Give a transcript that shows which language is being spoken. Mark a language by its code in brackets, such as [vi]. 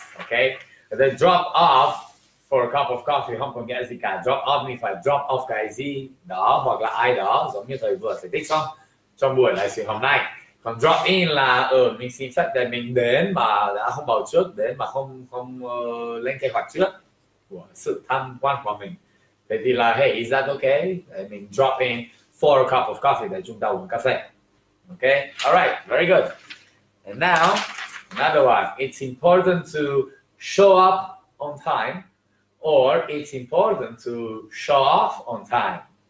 [en] Ok, then drop off for a cup of coffee. [vi] Không có nghĩa gì cả. [en] Drop off means [vi] phải drop off cái gì đó hoặc là ai đó. Giống như thầy vừa giải thích xong trong buổi live stream hôm nay. Còn drop in là mình xin phép để mình đến mà đã không bảo trước, đến mà không lên kế hoạch trước của sự tham quan của mình. Thế thì là [en] hey, is that okay? [vi] Để mình [en] drop in for a cup of coffee [vi] để chúng ta uống cà phê. [en] Ok, alright, very good. And now, another one. It's important to show up on time or it's important to show off on time.